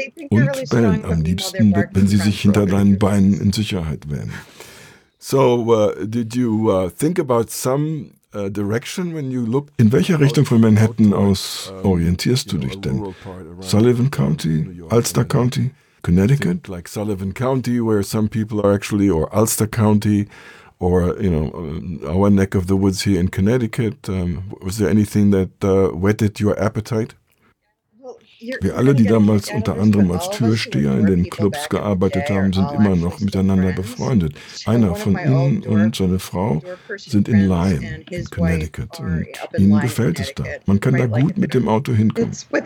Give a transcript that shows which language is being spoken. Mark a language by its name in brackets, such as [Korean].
[German] Und bellen am liebsten, wenn sie sich hinter deinen Beinen in Sicherheit wähnen. [English] So, did you think about some direction when you look? [German] In welcher Richtung von Manhattan aus orientierst du dich denn? Sullivan County, Ulster County, Connecticut? [English] Like Sullivan County, where some people are actually, or Ulster County. Or, you know, our neck of the woods here in Connecticut. Was there anything that whetted your appetite? [German] Wir alle, die damals unter anderem als Türsteher in den Clubs gearbeitet haben, sind immer noch miteinander befreundet. Einer von ihnen und seine Frau sind in Lyme, in Connecticut. Und ihnen gefällt es da. Man kann da gut mit dem Auto hinkommen.